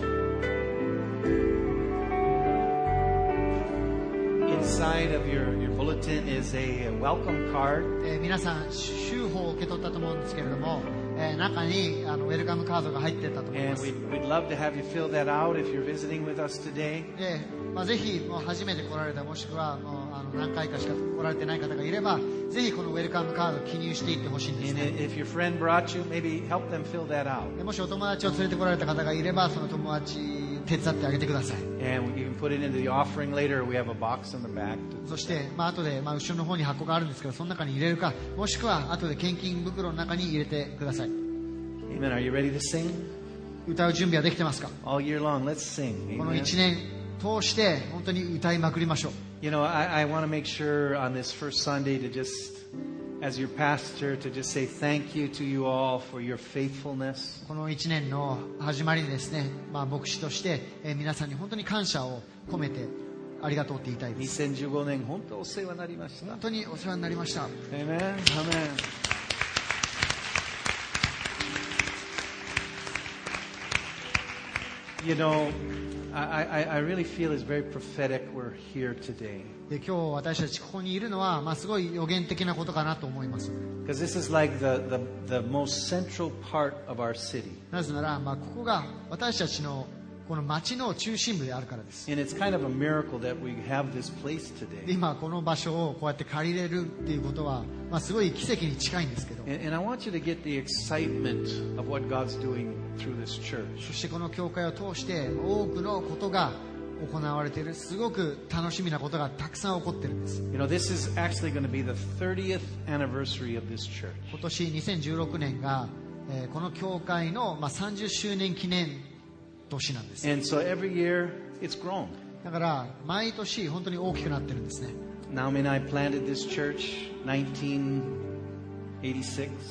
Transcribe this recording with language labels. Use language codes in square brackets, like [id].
[en] Inside of your bulletin is a welcome card. [ja] 皆さん、週報を受け取ったと思うんですけれども、中にウェルカムカードが入ってたと思います。 [en] And we'd love to have you fill that out if you're visiting with us today. [ja] ぜひ、初めて来られた、もしくは、何回かしか来られてない方がいれば、ぜひこのウェルカムカードを記入していってほしいんですね。 [en] And if your friend brought you, maybe help them fill that out. [ja] もしお友達を連れて来られた方がいれば、その友達手伝ってあげてください。 [en] And you can put it into the offering later. We have a box in the back. [ja] そして、後で、後ろの方に箱があるんですけど、その中に入れるか、もしくは後で献金袋の中に入れてください。 [en] Amen. Are you ready to sing? [ja] 歌う準備はできてますか? [en] All year long, let's sing. [ja] この一年通して本当に歌いまくりましょう。 [en] You know, I want to make sure on this first Sunday to just, as your pastor, to just say thank you to you all for your faithfulness. [ja] この一年の始まりにですね、牧師として皆さんに本当に感謝を込めてありがとうって言いたいです。 2015年本当お世話になりました。本当にお世話になりました。 [en] Amen. Amen. You know. I really feel it's very prophetic we're here today. [ja] で今日私たちここにいるのは、すごい予言的なことかなと思います。 [en] Because this is like the most central part of our city. [ja] なぜなら、ここが私たちのこの町の中心部であるからです。 [en] And it's kind of a miracle that we have this place today. [ja] 今この場所をこうやって借りれるっていうことは、すごい奇跡に近いんですけど。 [en] And I want you to get the excitement of what God's doing through this church. [ja] そしてこの教会を通して多くのことが行われている。すごく楽しみなことがたくさん起こってるんです。 [en] You know, this is actually going to be the 30th anniversary of this church. [ja] 今年2016年が、この教会の、30周年記念年なんです。 [en] And so every year it's grown. [ja] だから毎年本当に大きくなってるんですね。 [en] Naomi and I planted this church in 1986.